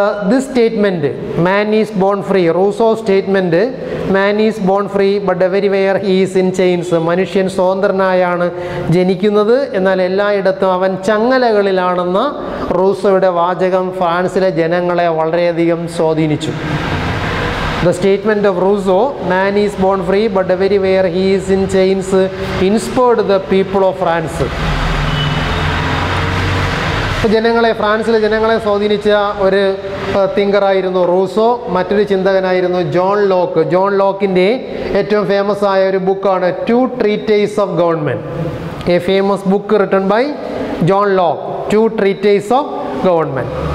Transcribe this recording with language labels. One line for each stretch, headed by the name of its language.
English: This statement man is born free, Rousseau statement man is born free but everywhere he is in chains.
Malayalam: മനുഷ്യൻ സ്വതന്ത്രനായാണ് ജനിക്കുന്നത്, എന്നാൽ എല്ലായിടത്തും അവൻ ചങ്ങലകളിലാണെന്ന റൂസോയുടെ വാചകം ഫ്രാൻസിലെ ജനങ്ങളെ വളരെയധികം സ്വാധീനിച്ചു.
English: The statement of Rousseau, man is born free but everywhere he is in chains, inspired the people of France.
Malayalam: ജനങ്ങളെ, ഫ്രാൻസിലെ ജനങ്ങളെ സ്വാധീനിച്ച ഒരു തിങ്കറായിരുന്നു റൂസോ. മറ്റൊരു ചിന്തകനായിരുന്നു ജോൺ ലോക്ക്. ജോൺ ലോക്കിൻ്റെ ഏറ്റവും ഫേമസ് ആയ ഒരു ബുക്കാണ് to ട്രീറ്റേസ് of government,
English: a famous book written by John Locke,
Malayalam: to ട്രീറ്റേസ് of government.